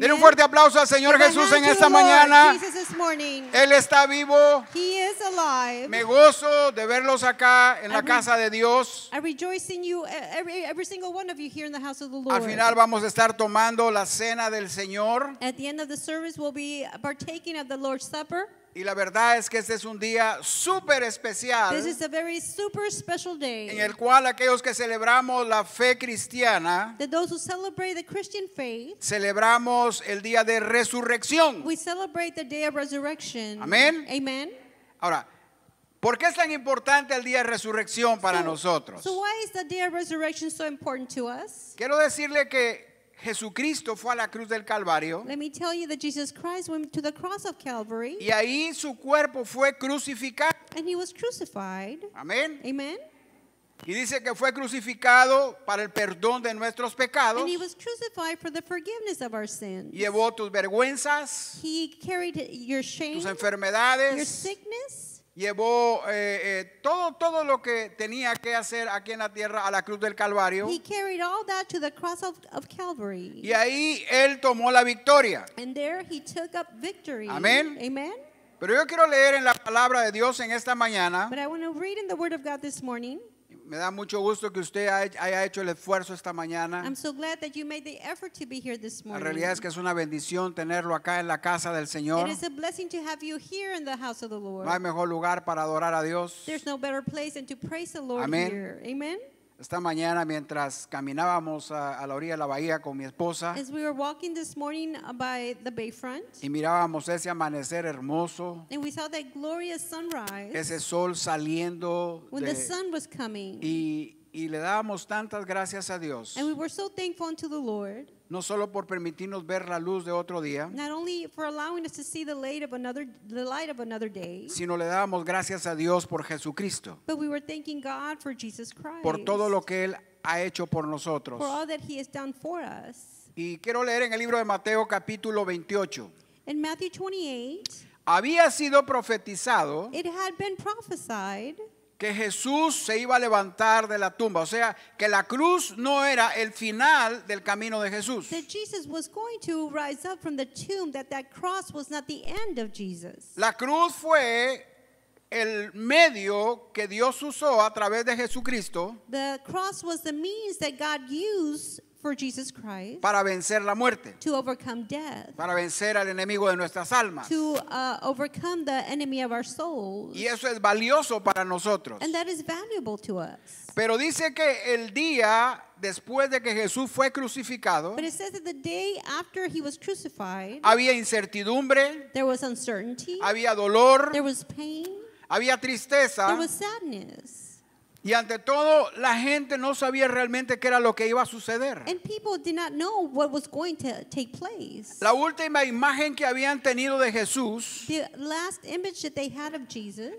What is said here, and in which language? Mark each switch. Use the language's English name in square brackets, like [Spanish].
[Spanish] Den un fuerte aplauso al Señor Jesús en esta mañana. [English] Jesus this morning. [Spanish] Él está vivo. [English] He is alive. [Spanish] Me gozo de verlos acá en la casa de Dios. [English] I rejoice in you, every single one of you here in the house of the Lord. [Spanish] Al final vamos a estar tomando la cena del Señor. [English] At the end of the service we'll be partaking of the Lord's Supper. [Spanish] Y la verdad es que este es un día súper especial. [English] This is a very super special day. [Spanish] En el cual aquellos que celebramos la fe cristiana, [English] that those who celebrate the Christian faith, [Spanish] celebramos el día de resurrección. [English] We celebrate the day of resurrection. [Spanish] Amén. [English] Amen. [Spanish] Ahora, ¿por qué es tan importante el día de resurrección para nosotros? [English] So why is the day of resurrection so important to us? [Spanish] Quiero decirle que Jesucristo fue a la cruz del Calvario. [English] Let me tell you that Jesus Christ went to the cross of Calvary. [Spanish] Y ahí su cuerpo fue crucificado. [English] And he was crucified. [Spanish] Amén. [English] Amen. [Spanish] Y dice que fue crucificado para el perdón de nuestros pecados. [English] And he was crucified for the forgiveness of our sins. [Spanish] Llevó tus vergüenzas. [English] He carried your shame. [Spanish] Tus enfermedades. [English] Your sickness. [Spanish] Llevó todo lo que tenía que hacer aquí en la tierra a la cruz del Calvario. [English] He carried all that to the cross of Calvary. [Spanish] Y ahí él tomó la victoria. [English] And there he took up victory. [Spanish] Amén. [English] Amen. [Spanish] Pero yo quiero leer en la palabra de Dios en esta mañana. [English] But I want to read in the word of God this morning. [Spanish] Me da mucho gusto que usted haya hecho el esfuerzo esta mañana. [English] I'm so glad that you made the effort to be here this morning. [Spanish] La realidad es que es una bendición tenerlo acá en la casa del Señor. [English] It is a blessing to have you here in the house of the Lord. [Spanish] No hay mejor lugar para adorar a Dios. [English] There's no better place than to praise the Lord [Spanish] Amén. [English] Here. Amen. [Spanish] Esta mañana mientras caminábamos a la orilla de la bahía con mi esposa. [English] As we were walking this morning by the bayfront. [Spanish] Y mirábamos ese amanecer hermoso. [English] And we saw that glorious sunrise. [Spanish] Ese sol saliendo. [English] When the sun was coming. [Spanish] Y le dábamos tantas gracias a Dios. [English] And we were so thankful unto the Lord. [Spanish] No solo por permitirnos ver la luz de otro día. [English] Not only for allowing us to see the light of another day. [Spanish] Sino le dábamos gracias a Dios por Jesucristo. [English] But we were thanking God for Jesus Christ. [Spanish] Por todo lo que Él ha hecho por nosotros. [English] For all that He has done for us. [Spanish] Y quiero leer en el libro de Mateo capítulo 28. [English] In Matthew 28. [Spanish] Había sido profetizado. [English] It had been prophesied. [Spanish] Que Jesús se iba a levantar de la tumba. O sea, que la cruz no era el final del camino de Jesús. [English] That Jesus was going to rise up from the tomb. That cross was not the end of Jesus. [Spanish] La cruz fue el medio que Dios usó a través de Jesucristo. [English] The cross was the means that God used for Jesus Christ. [Spanish] Para vencer la muerte. [English] To overcome death. [Spanish] Para vencer al enemigo de nuestras almas. [English] To overcome the enemy of our souls. [Spanish] Y eso es valioso para nosotros. [English] And that is valuable to us. [Spanish] Pero dice que el día después de que Jesús fue crucificado. [English] But it says that the day after he was crucified. [Spanish] Había incertidumbre. [English] There was uncertainty. [Spanish] Había dolor. [English] There was pain. [Spanish] Había tristeza. [English] There was sadness. [Spanish] Y ante todo, la gente no sabía realmente qué era lo que iba a suceder. [English] And people did not know what was going to take place. [Spanish] La última imagen que habían tenido de Jesús, [English] the last image that they had of Jesus,